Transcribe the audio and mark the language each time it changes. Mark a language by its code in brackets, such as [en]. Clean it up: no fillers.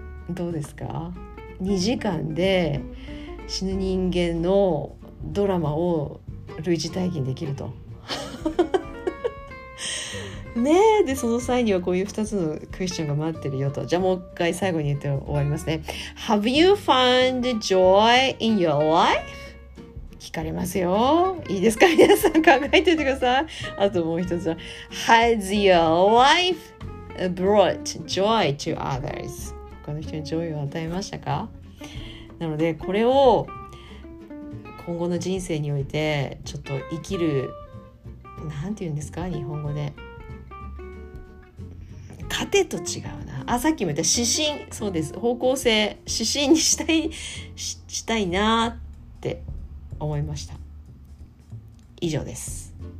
[ja] どうですか、2時間で死ぬ人間のドラマを類似体験できるとねえ、でその際にはこういう2つのクエスチョンが待ってるよと。じゃあもう一回最後に言って終わりますね。 [en] Have you found joy in your life? [ja] 聞かれますよ、いいですか、皆さん考えておいてください。あともう一つは [en] Has your life brought joy to others? [ja] 他の人にジョイを与えましたか。なのでこれを今後の人生においてちょっと生きる、なんて言うんですか日本語で、糧と違うな、あさっきも言った指針、そうです、方向性、指針にしたい、 したいなって思いました。以上です。